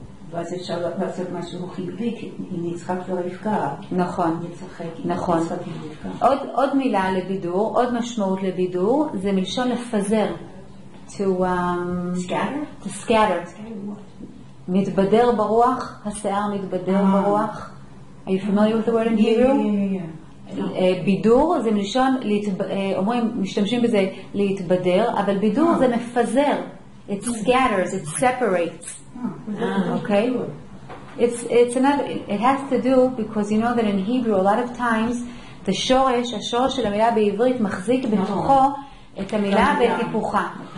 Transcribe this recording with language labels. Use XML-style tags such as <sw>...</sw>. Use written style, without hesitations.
<he>ואז אפשר לעשות משהו חיובי, כי אם יצחק לא יפגע. נכון. יצחק. נכון. עוד מילה לבידור, עוד משמעות לבידור, זה מלשון לפזר.</he> <en>To scatter.</en> <he>מתבדר ברוח, השיער מתבדר ברוח.</he> <en>Are you familiar with the word in Hebrew? Yeah.</en> <he>בידור זה מלשון, אומרים, משתמשים בזה להתבדר, אבל בידור זה מפזר.</he> <en>It scatters, it separates. Okay? It has to do, because you know that in Hebrew, a lot of times,</en> <he>השורש של המילה בעברית מחזיק בתוכו את המילה ואת היפוכה.</he>